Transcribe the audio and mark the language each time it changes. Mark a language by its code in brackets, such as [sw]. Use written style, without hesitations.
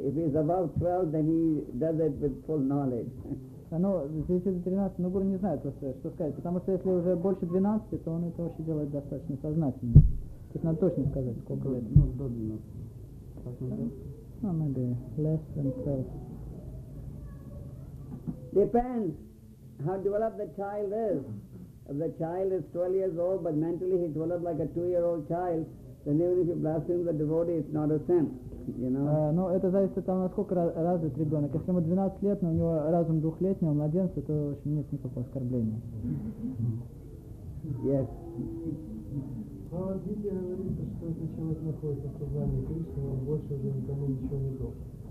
[en] If he's above 12, then he does it with full knowledge. [ru] Ну, если до 13, ну, Гуру не знает просто, что сказать, потому что если уже больше 12, то он это вообще делает достаточно сознательно. То есть надо точно сказать, сколько лет. Ну, до 12. [en] Ну, maybe less than 12. Depends how developed the child is. If the child is 12 years old, but mentally he developed like a 2-year-old child, then even if you blaspheme the devotee, it's not a sin. [ru] Ну, это зависит от того, насколько развит ребенок. Если ему 12 лет, но у него разум двухлетний, он младенец, то вообще нет никакого оскорбления. [en] Yes. [ru] Бхагавад-гита говорит, что если человек находится в сознании Кришны, он больше уже никому ничего не должен.